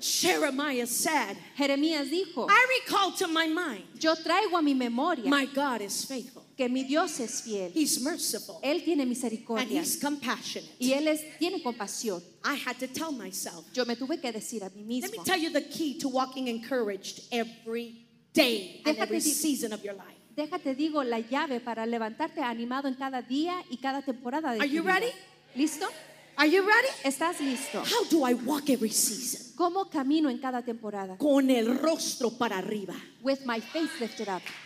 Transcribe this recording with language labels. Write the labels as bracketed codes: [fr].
[en] Jeremiah said. [es] Jeremías dijo. [en] I recall to my mind. [es] Yo traigo a mi memoria. [en] My God is faithful. [es] Que mi Dios es fiel. [en] He's merciful. [es] Él tiene misericordia. [en] And he's compassionate. [es] Y él es, tiene compasión. [en] I had to tell myself. [es] Yo me tuve que decir a mí mismo. [en] Let me tell you the key to walking encouraged every day [es] déjate [en] and every season of your life. [es] Déjate digo la llave para levantarte animado en cada día y cada temporada de [en] Are you [es] vida. [en] Ready? [es] ¿Listo? [en] Are you ready? [es] ¿Estás listo? [en] How do I walk every season? [es] ¿Cómo camino en cada temporada? Con el rostro para arriba. [en] With my face lifted up.